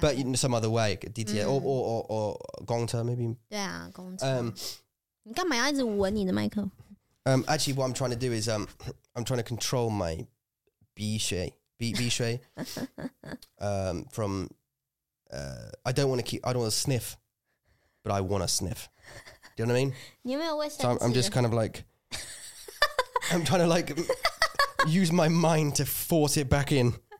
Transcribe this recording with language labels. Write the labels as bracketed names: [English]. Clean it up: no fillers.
[English] but in some other way DTA or 公车 maybe [Chinese] 对啊公车你干嘛要一直闻你的麦克 [English] actually what I'm trying to do is I'm trying to control my 鼻水 from I don't want to sniff but I want to sniff do you know what I mean [Chinese] 你有没有卫生纸 [English] so I'm just kind of like I'm trying to like use my mind to force it back in.